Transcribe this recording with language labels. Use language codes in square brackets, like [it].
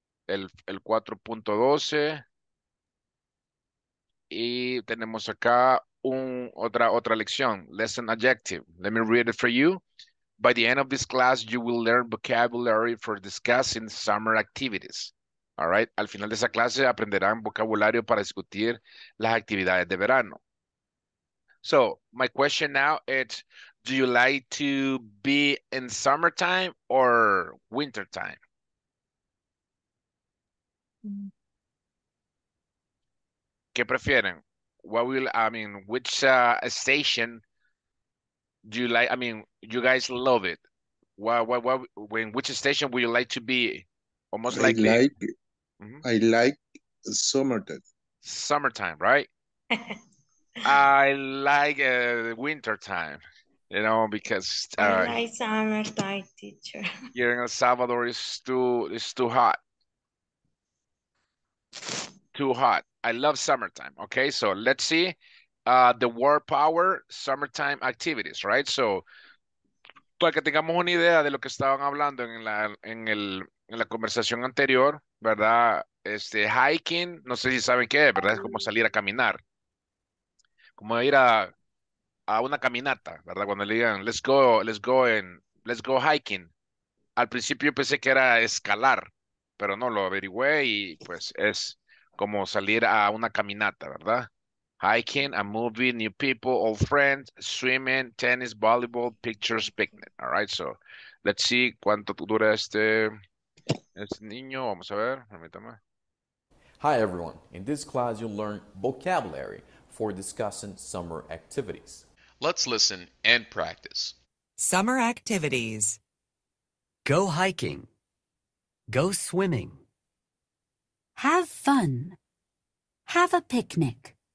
[es] El 4.12, y tenemos acá otra lección, [en] lesson adjective. Let me read it for you. By the end of this class, you will learn vocabulary for discussing summer activities. All right. [es] Al final de esa clase aprenderán vocabulario para discutir las actividades de verano. [en] So, my question now is, do you like to be in summertime or wintertime? [es] ¿Qué prefieren? [en] What will, I mean, which station do you like? I mean, you guys love it. When which station would you like to be? Or most likely? I like summertime. Summertime, right? I like wintertime, you know, because I like summertime, teacher. Here in El Salvador, it's too hot. Too hot. I love summertime. Okay, so let's see the word power, summertime activities, right? [es] So, para que tengamos una idea de lo que estaban hablando en la conversación anterior, ¿verdad? Hiking, no sé si saben qué, ¿verdad? Es como salir a caminar. Como ir a una caminata, ¿verdad? Cuando le digan, [en] let's go hiking. [es] Al principio pensé que era escalar, pero no, lo averigüé y pues es como salir a una caminata, ¿verdad? [en] Hiking, a movie, new people, old friends, swimming, tennis, volleyball, pictures, picnic. All right, so let's see [es] cuánto dura este niño. Vamos a ver, permítame. [en] Hi, everyone. In this class, you'll learn vocabulary for discussing summer activities. Let's listen and practice. Summer activities. Go hiking. Go swimming. Have fun. Have a picnic.